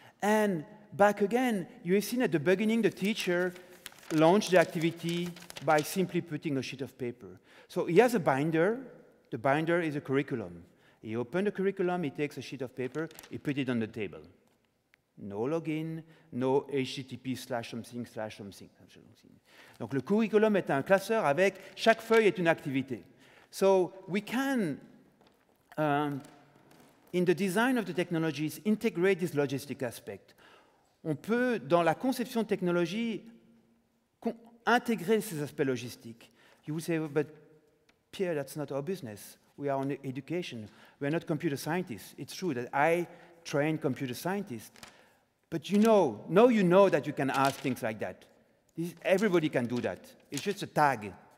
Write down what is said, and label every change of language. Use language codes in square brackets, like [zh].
[en] And back again, you have seen at the beginning the teacher launched the activity by simply putting a sheet of paper. So he has a binder. The binder is a curriculum. He opened the curriculum, he takes a sheet of paper, he put it on the table. No login, no http://something/something. [fr] Donc le curriculum est un classeur avec chaque feuille est une activité. [en] So we can, in the design of the technologies, integrate this logistic aspect. [fr] On peut, dans la conception de technologie, intégrer ces aspects logistiques. [en] You would say, but Pierre, that's not our business. We are on education. We are not computer scientists. It's true that I train computer scientists. But you know, now you know that you can ask things like that. Everybody can do that. It's just a tag.